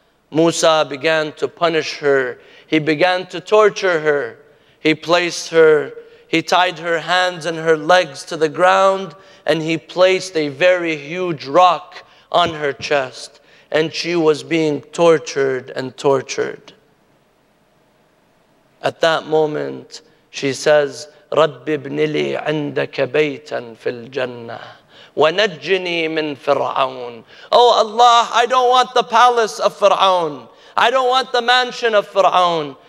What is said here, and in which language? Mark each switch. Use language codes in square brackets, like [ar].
[en] Musa began to punish her. He began to torture her. He placed her, he tied her hands and her legs to the ground, and he placed a very huge rock on her chest. And she was being tortured and tortured. At that moment, she says, [ar] رَبِّ ابْنِ لِي عِنْدَكَ بَيْتًا فِي الْجَنَّةِ وَنَجِّنِي مِنْ فِرْعَوْنِ. [en] Oh Allah, I don't want the palace of Fir'aun. I don't want the mansion of Fir'aun.